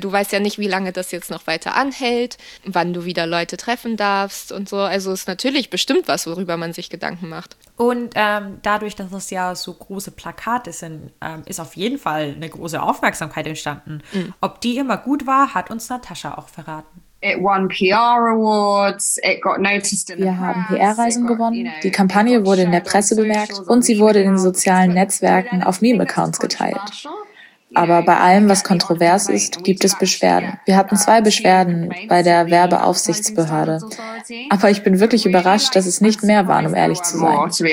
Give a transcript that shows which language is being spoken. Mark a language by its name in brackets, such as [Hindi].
[German] Du weißt ja nicht, wie lange das jetzt noch weiter anhält, wann du wieder Leute treffen darfst und so. Also es ist natürlich bestimmt was, worüber man sich Gedanken macht. Und dadurch, dass das ja so große Plakate sind, ist auf jeden Fall eine große Aufmerksamkeit entstanden. Mhm. Ob die immer gut war, hat uns Natascha auch verraten. [English] It won PR awards, it got noticed in the press. [German] Wir haben PR-Reisen gewonnen, die Kampagne wurde in der Presse bemerkt und sie wurde in den sozialen Netzwerken auf Meme-Accounts geteilt. Aber bei allem, was kontrovers ist, gibt es Beschwerden. Wir hatten zwei Beschwerden bei der Werbeaufsichtsbehörde. Aber ich bin wirklich überrascht, dass es nicht mehr waren, um ehrlich zu sein.